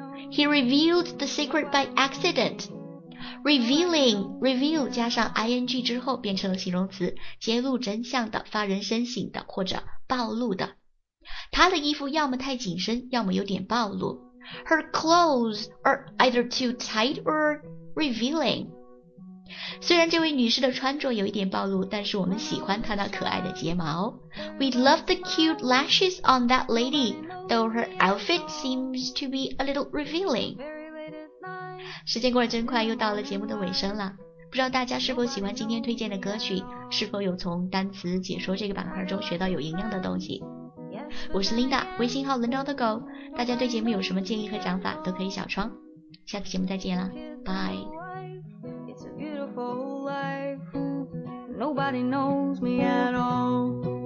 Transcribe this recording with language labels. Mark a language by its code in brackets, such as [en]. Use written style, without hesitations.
[en] He revealed the secret by accident. [zh] Revealing, reveal 加上 ing 之后变成了形容词，揭露真相的，发人深省的，或者暴露的。她的衣服要么太紧身，要么有点暴露。 [en] Her clothes are either too tight or revealing. [zh] 虽然这位女士的穿着有一点暴露，但是我们喜欢她那可爱的睫毛。 [en] We love the cute lashes on that lady, though her outfit seems to be a little revealing. [zh] 时间过得真快，又到了节目的尾声了。不知道大家是否喜欢今天推荐的歌曲，是否有从单词解说这个板块中学到有营养的东西。我是 Linda, 微信号轮着的狗，大家对节目有什么建议和想法都可以小窗。下次节目再见了，拜。 [en] It's a beautiful life, nobody knows me at all.